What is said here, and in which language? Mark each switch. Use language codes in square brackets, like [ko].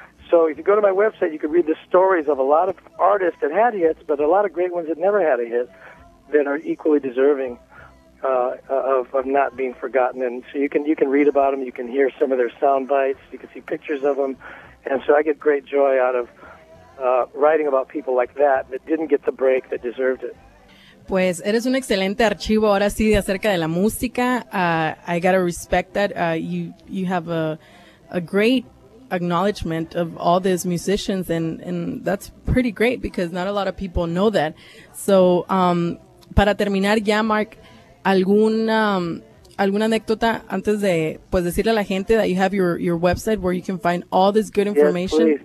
[en] So if you go to my website, you can read the stories of a lot of artists that had hits, but a lot of great ones that never had a hit that are equally deserving of not being forgotten. And so you can read about them. You can hear some of their sound bites. You can see pictures of them. And so I get great joy out of writing about people like that that didn't get the break that deserved it. [es] Pues eres un excelente archivo ahora sí acerca de la música. [en] I gotta respect that. You have a great acknowledgement of all these musicians, and that's pretty great because not a lot of people know that. [es] So para terminar ya, Mark, alguna anécdota antes de pues decirle a la gente [en] that you have your website where you can find all this good information.